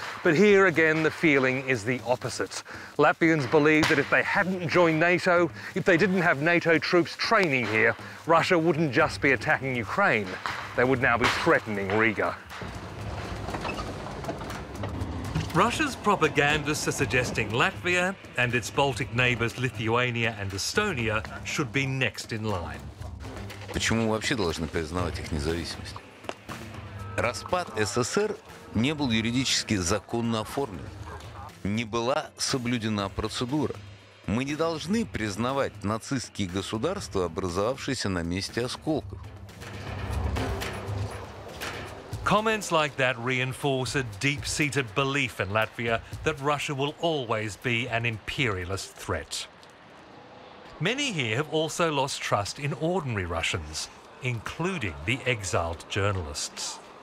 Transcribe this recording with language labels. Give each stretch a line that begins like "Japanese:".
English: But here again, the feeling is the opposite. Latvians believe that if they hadn't joined NATO, if they didn't have NATO troops training here, Russia wouldn't just be attacking Ukraine. They would now be threatening Riga. Russia's propagandists are suggesting Latvia and its Baltic neighbours Lithuania and Estonia should be next in line.
Russian: Почему вообще должны признавать их независимость? Распад СССР не был юридически законно оформлен. Не была соблюдена процедура. Мы не должны признавать нацистские государства, образовавшиеся на месте осколков.
English: Comments like that reinforce a deep-seated belief in Latvia that Russia will always be an imperialist threat. Many here have also lost trust in ordinary Russians, including the exiled journalists.